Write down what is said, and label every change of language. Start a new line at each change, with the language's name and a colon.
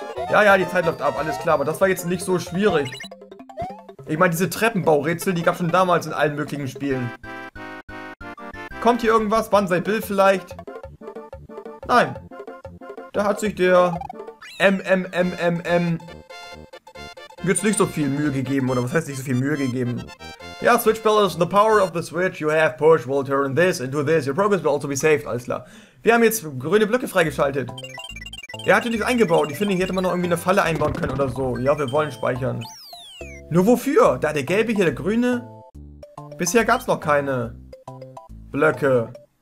German: Ja, die Zeit läuft ab, alles klar. Aber das war jetzt nicht so schwierig. Ich meine, diese Treppenbaurätsel, die gab es schon damals in allen möglichen Spielen. Kommt hier irgendwas? Banzai Bill vielleicht? Nein. Da hat sich der jetzt nicht so viel Mühe gegeben, oder was heißt nicht so viel Mühe gegeben?
English: Ja, Switch Palace, the power of the Switch you have pushed will turn this into this. Your progress will also be saved,
German: alles klar. Wir haben jetzt grüne Blöcke freigeschaltet. Er hatte nichts eingebaut. Ich finde, hier hätte man noch irgendwie eine Falle einbauen können oder so. Ja, wir wollen speichern. Nur wofür? Da der gelbe, hier der grüne. Bisher gab es noch keine Blöcke.